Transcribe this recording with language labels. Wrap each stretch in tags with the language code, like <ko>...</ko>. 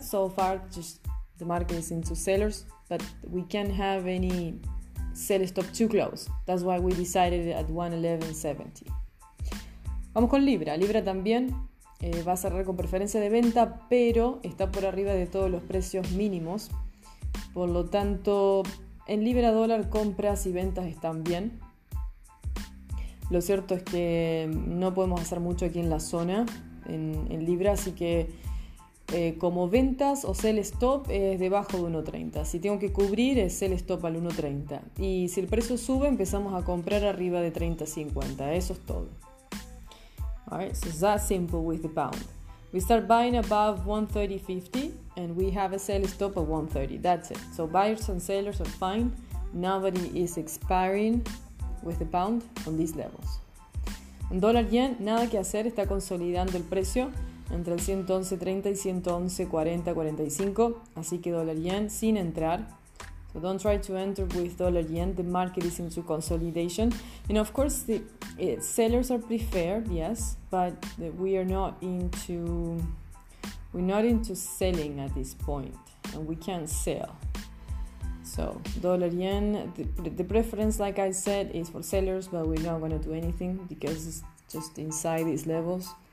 <en>So far, just the market is into sellers, but we can't have any sell stop too close. That's why we decided at 1.1170.</en> <es>Vamos con Libra. Libra también va a cerrar con preferencia de venta, pero está por arriba de todos los precios mínimos. Por lo tanto, en Libra dólar compras y ventas están bien. Lo cierto es que no podemos hacer mucho aquí en la zona en Libra, así que como ventas o sell stop es debajo de 1.30. Si tengo que cubrir es sell stop al 1.30. Y si el precio sube empezamos a comprar arriba de 30.50. Eso es todo.</es> <en>Alright, so it's that simple with the pound. We start buying above 130.50 and we have a sell stop at 130. That's it. So buyers and sellers are fine. Nobody is expiring with the pound on these levels.</en> <es>En dólar yen, nada que hacer, está consolidando el precio entre el 111.30 y 111.40-45. Así que dólar yen sin entrar.</es> <en>So don't try to enter with dollar yen. The market is into consolidation. And of course, the sellers are preferred, yes, but we're not into selling at this point. And we can't sell. So dollar yen, the preference, like I said, is for sellers, but we're not going to do anything because it's just inside these levels.</en>